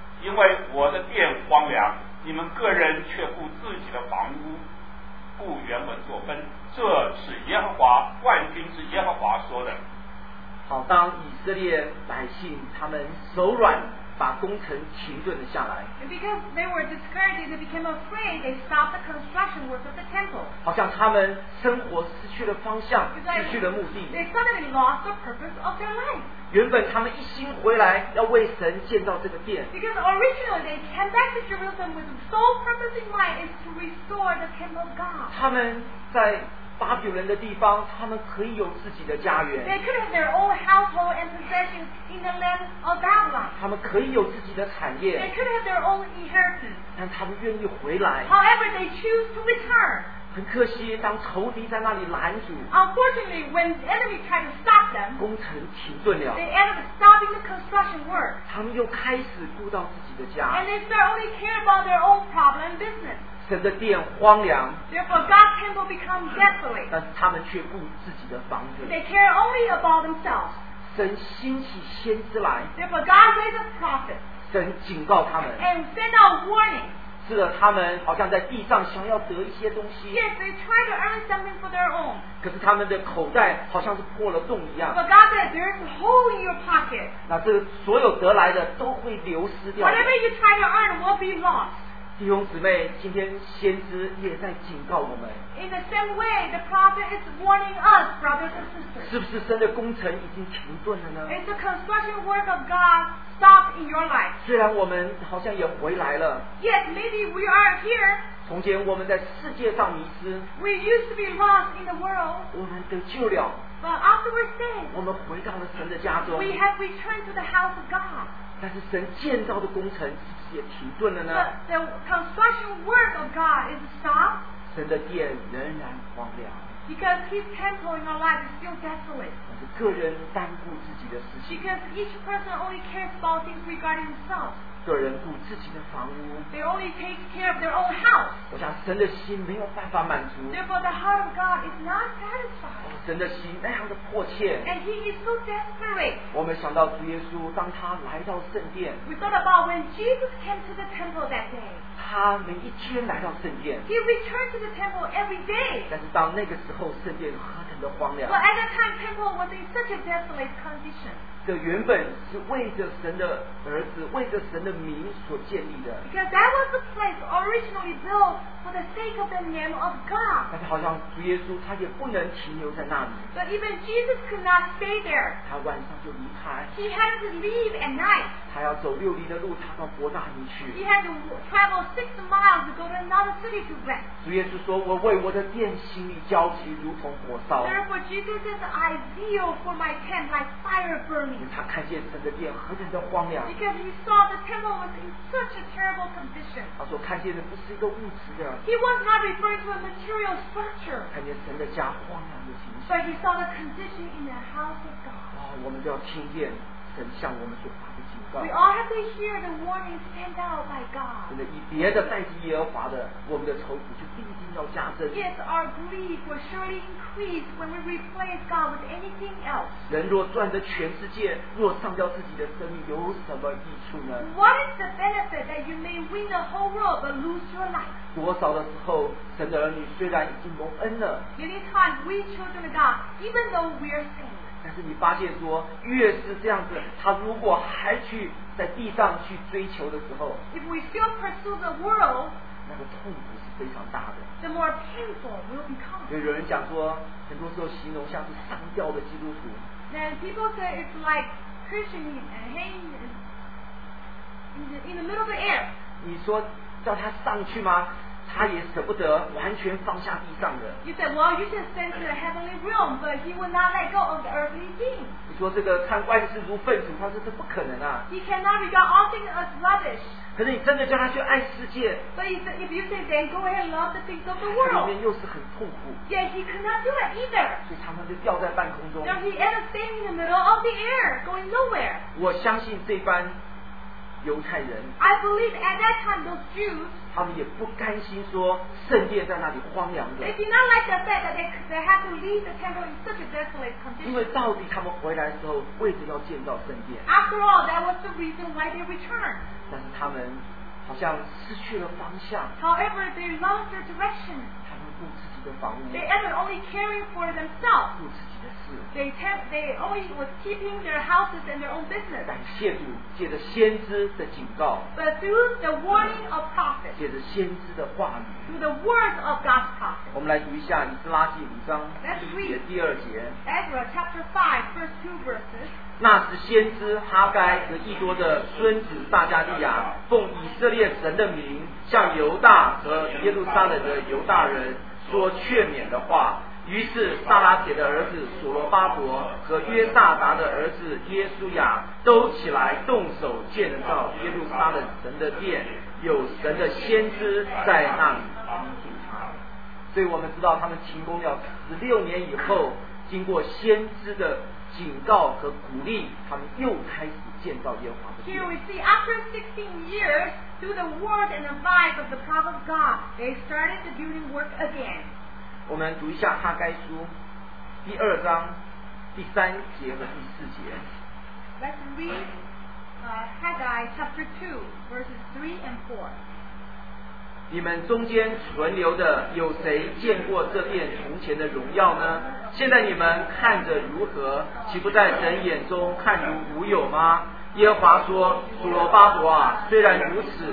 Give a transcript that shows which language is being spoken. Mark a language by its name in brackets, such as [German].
[Chinese] 因为我的殿荒凉，你们个人却顾自己的房屋。故原文作分，这是耶和华万军之耶和华说的。好，当以色列百姓他们手软，把工程停顿了下来。 [English] And because they were discouraged, they became afraid. They stopped the construction work of the temple. [Chinese] 好像他们生活失去了方向，失去了目的。 [English] They suddenly lost the purpose of their life. [Chinese] 原本他们一心回来要为神建造这个殿。 [English] Because originally they came back to Jerusalem with the sole purpose in mind is to restore the temple of God. [Chinese] 他们在巴比伦的地方，他们可以有自己的家园。 [English] They could have their own household and possessions in the land of Babylon. [Chinese] 他们可以有自己的产业。 [English] They could have their own inheritance. [Chinese] 但他们愿意回来。 [English] However, they choose to return. [Chinese] 很可惜，当仇敌在那里拦阻。 [English] Unfortunately, when the enemy tried to stop them, [Chinese] 工程停顿了。 [English] They ended up stopping the construction work. [Chinese] 他们又开始顾到自己的家。 [English] And they start only care about their own problem and business. [Chinese] 神的殿荒凉， [English] therefore God's temple becomes desolate. [Chinese] 但是他们却顾自己的房子。 [English] They care only about themselves. [Chinese] 神兴起先知来， [English] therefore God raised a prophet. [Chinese] 神警告他们， [English] and send out warning. [Chinese] 是的，他们好像在地上想要得一些东西。 [English] Yes, they try to earn something for their own. [Chinese] 可是他们的口袋好像是破了洞一样。 [English] But God said, "There's a hole in your pocket." [Chinese] 那这所有得来的都会流失掉。 [English] Whatever you try to earn will be lost. [Chinese] 弟兄姊妹，今天先知也在警告我们。 [English] In the same way, the prophet is warning us, brothers and sisters. [Chinese] 是不是神的工程已经停顿了呢？ [English] Is the construction work of God stopped in your life? [Chinese] 虽然我们好像也回来了。 [English] Yet maybe we are here. [Chinese] 从前我们在世界上迷失。 [English] We used to be lost in the world. [Chinese] 我们得救了。 [English] But after we're saved, [Chinese] 我们回到了神的家中。 [English] We have returned to the house of God. [Chinese] 但是神建造的工程是不是也停顿了呢？ [English] The construction work of God is stopped. [Chinese] 神的殿仍然荒凉。 [English] Because his temple in our life is still desolate. [Chinese] 子，个人单顾自己的事情。 [English] Because each person only cares about things regarding himself. [Chinese] 个人顾自己的房屋。 [English] They only take care of their own house. [Chinese] 我想神的心没有办法满足。 [English] Therefore, the heart of God is not satisfied. [Chinese] 神的心那样的迫切。 [English] And he is so desperate. [Chinese] 我们想到主耶稣，当他来到圣殿。 [English] We thought about when Jesus came to the temple that day. [Chinese] 他每一天来到圣殿。 [English] He returned to the temple every day. [Chinese] 但是到那个时候，圣殿何等的荒凉。 [English] But at that time, temple was in such a desolate condition. [Chinese] 这原本是为着神的儿子，为着神的名所建立的。 [English] Because that was the place originally built for the sake of the name of God. [Chinese] 但是好像主耶稣他也不能停留在那里。 [English] But even Jesus could not stay there. [Chinese] 他晚上就离开。 [English] He had to leave at night. [Chinese] 他要走六里的路，他到伯大尼去。 [English] He had to travel 6 miles to go to another city to rest. [Chinese] 主耶稣说：“我为我的殿心里焦急，如同火烧。” [English] Therefore, Jesus said, "I zeal for my tent like fire burning." [Chinese] 他看见神的殿何等的荒凉。 [English] Because he saw the temple was in such a terrible condition. [Chinese] 他说看见的不是一个物质的。 [English] He was not referring to a material structure. [Chinese] 看见神的家荒凉的情 [English] 形。But he saw the condition in the house of God. [Chinese] 啊，我们都要听见神向我们说话。 [English] We all have to hear the warning sent out by God. [Chinese] 真的，以别的代替耶和华的，我们的愁苦就必定要加增。 [English] Yes, our grief will surely increase when we replace God with anything else. [Chinese] 人若赚得全世界，若丧掉自己的生命，有什么益处呢？ [English] What is the benefit that you may win the whole world but lose your life? [Chinese] 多少的时候，神的儿女虽然已经蒙恩了。 [English] Many times we children of God, even though we are saved. [Chinese] 但是你发现说越是这样子他如果还去在地上去追求的时候 [English] If we still pursue the world [Chinese] 那个痛苦是非常大的 [English] The more painful will become [Chinese] 有人讲说很多时候形容像是上吊的基督徒 [English] Then people say it's like Christian hanging in the middle of the air [Chinese] 你说叫他上去吗他也舍不得完全放下地上的。 [English] You said, well, you should send to the heavenly realm, but he will not let go of the earthly thing. [Chinese] 你说这个看外事如粪土，他说这不可能啊。 [English] He cannot regard all things as rubbish. [Chinese] 可是你真的叫他去爱世界。 [English] But if you say, then go ahead and love the things of the world. [Chinese] 他里面又是很痛苦。 [English] Yet he could not do it either. [Chinese] 所以常常就掉在半空中。 [English] Now he ended up staying in the middle of the air, going nowhere. [Chinese] 我相信这般。犹太人 [English] I believe at that time those Jews [Chinese] 他们也不甘心说圣殿在那里荒凉的 [English] They did not like the fact that they had to leave the temple in such a desolate condition [Chinese] 因为到底他们回来的时候为什么要建造圣殿 [English] After all, that was the reason why they returned [Chinese] 但是他们好像失去了方向 [English] However, they lost their direction [Chinese] 他们顾自己的房屋 [English] They ended only caring for themselves [Chinese] 顾自己的事 [English] They only were keeping their houses and their own business [Chinese] 感谢主借着先知的警告 [English] But through the warning of prophets [Chinese] 借着先知的话语 [English] Through the words of God's prophets [Chinese] 我们来读一下以斯拉记五章第一节第二节 [English] Ezra chapter 5 first 2 verses [Chinese] 那时先知哈该和义多的孙子撒加利亚奉以色列神的名向犹大和耶路撒冷的犹大人说劝勉的话于是撒拉铁的儿子所罗巴伯和约萨达的儿子耶稣亚都起来动手建造耶路撒冷神的殿有神的先知在那里帮助他所以我们知道他们停工了16年以后经过先知的警告和鼓励他们又开始建造耶和华的 [English] 殿 Here we see after 16 years through the word and the vibe of the prophet God they started the building work again [Chinese] 我们读一下哈该书第二章第三节和第四节 [English] Let's read Haggai chapter 2 verses 3 and 4 [Chinese] 你们中间存留的有谁见过这殿从前的荣耀呢现在你们看着如何岂不在神眼中看如无有吗耶和华说所罗巴伯啊虽然如此